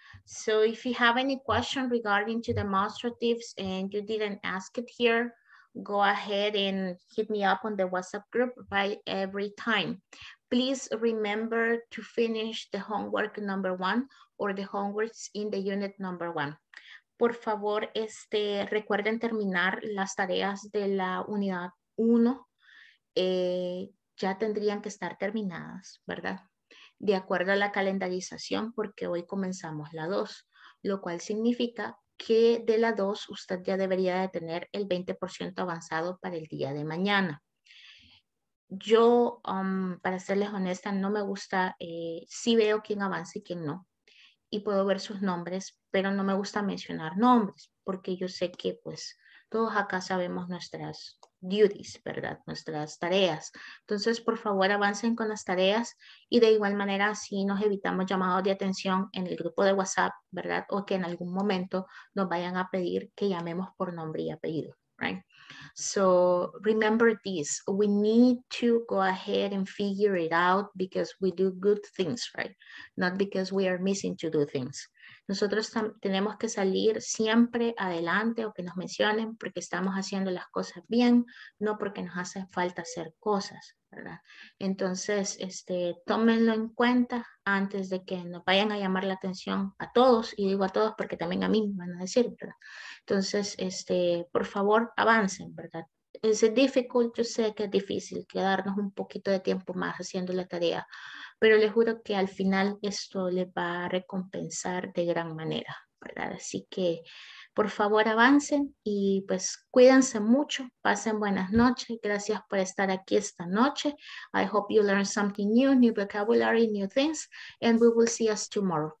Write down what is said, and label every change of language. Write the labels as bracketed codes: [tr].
[en] So if you have any question regarding to demonstratives and you didn't ask it here, go ahead and hit me up on the WhatsApp group by every time. Please remember to finish the homework number one or the homeworks in the unit number one. [es] Por favor, recuerden terminar las tareas de la unidad uno. Ya tendrían que estar terminadas, ¿verdad? De acuerdo a la calendarización, porque hoy comenzamos la dos, lo cual significa que de la dos usted ya debería de tener el 20% avanzado para el día de mañana. Yo, para serles honesta, no me gusta, sí veo quién avanza y quién no, y puedo ver sus nombres, pero no me gusta mencionar nombres, porque yo sé que pues todos acá sabemos nuestras duties, ¿verdad? Nuestras tareas. Entonces, por favor, avancen con las tareas y de igual manera, si nos evitamos llamados de atención en el grupo de WhatsApp, ¿verdad? O que en algún momento nos vayan a pedir que llamemos por nombre y apellido, ¿right? [en] So, remember this. We need to go ahead and figure it out because we do good things, ¿right? Not because we are missing to do things. [es] Nosotros tenemos que salir siempre adelante o que nos mencionen porque estamos haciendo las cosas bien, no porque nos hace falta hacer cosas, ¿verdad? Entonces, tómenlo en cuenta antes de que nos vayan a llamar la atención a todos, y digo a todos porque también a mí me van a decir, ¿verdad? Entonces, por favor, avancen, ¿verdad? Es difícil, yo sé que es difícil quedarnos un poquito de tiempo más haciendo la tarea, pero les juro que al final esto les va a recompensar de gran manera, ¿verdad? Así que, por favor, avancen y pues cuídense mucho, pasen buenas noches, gracias por estar aquí esta noche. [en] I hope you learned something new, new vocabulary, new things, and we will see us tomorrow.